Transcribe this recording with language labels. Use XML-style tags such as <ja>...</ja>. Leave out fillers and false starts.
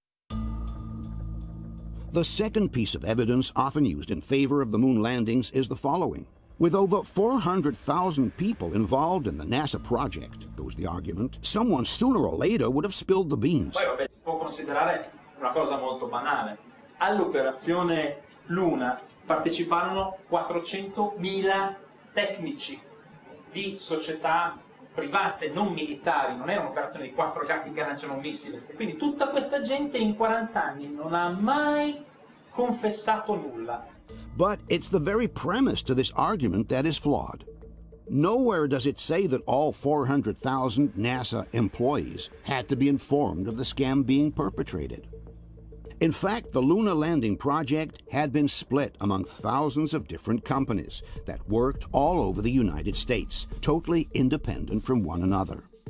<en>The second piece of evidence often used in favor of the moon landings is the following. With over 400,000 people involved in the NASA project, goes the argument, someone sooner or later would have spilled the beans.</en> <it>Si può considerare una cosa molto banale. All'operazione Luna parteciparono 400,000 tecnici di società private, non militari, non era un'operazione di quattro gatti che lanciano un missile. Quindi tutta questa gente in 40 anni non ha mai confessato nulla.</it> <en>But it's the very premise to this argument that is flawed. Nowhere does it say that all 400,000 NASA employees had to be informed of the scam being perpetrated. In fact, the lunar landing project had been split among thousands of different companies that worked all over the United States, totally independent from one another.</en>